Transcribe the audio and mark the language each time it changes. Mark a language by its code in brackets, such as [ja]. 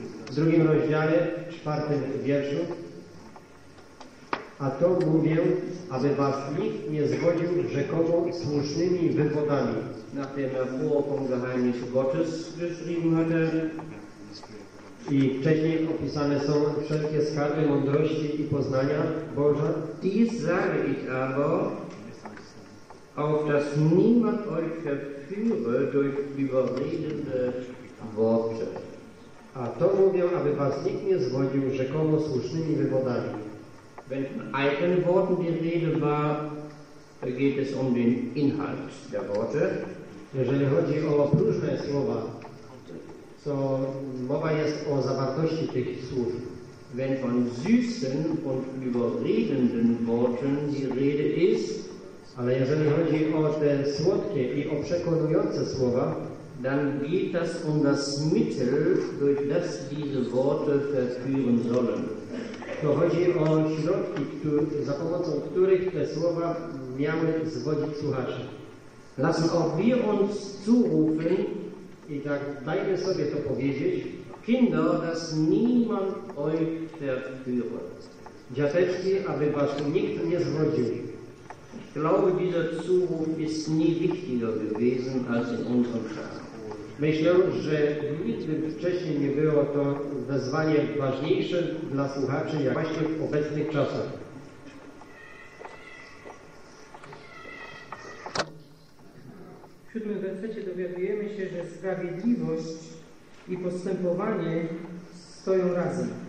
[pl] w drugim rozdziale, w czwartym wierszu. A to mówię, aby was nikt nie zwodził rzekomo słusznymi wywodami. [de] Nach dem Erfuhrung geheimnis Gottes geschrieben hat er. [pl] I wcześniej opisane są wszelkie skarby mądrości i poznania Boża. [de] Dies sage ich aber, auf dass niemand euch verführe durch überredende Worte. [pl] A to mówię, aby was nikt nie zwodził rzekomo słusznymi wywodami. [de] Wenn von eigenen Worten die Rede war, geht es um den Inhalt der Worte. [pl] Jeżeli chodzi o próżne słowa, to mowa jest o zawartości tych słów. [de] Wenn von süßen und überredenden Worten die Rede ist, [pl] ale jeżeli chodzi o te słodkie i o przekonujące słowa, [de] dann geht das um das Mittel, durch das diese Worte verführen sollen. [pl] To chodzi o środki, za pomocą których te słowa miały zwodzić słuchaczy. [de] Lassen auch wir uns zurufen, [pl] i tak dajmy sobie to powiedzieć, [de] Kinder, dass niemand euch verführe. [pl] Dziateczki, aby was nikt nie zwodził. [de] Ich glaube, dieser Zuruf ist nie wichtiger gewesen als in unserem Kreis. [pl] Myślę, że nigdy wcześniej nie było to wezwanie ważniejsze dla słuchaczy, jak właśnie w obecnych czasach. W siódmym wersecie dowiadujemy się, że sprawiedliwość i postępowanie stoją razem.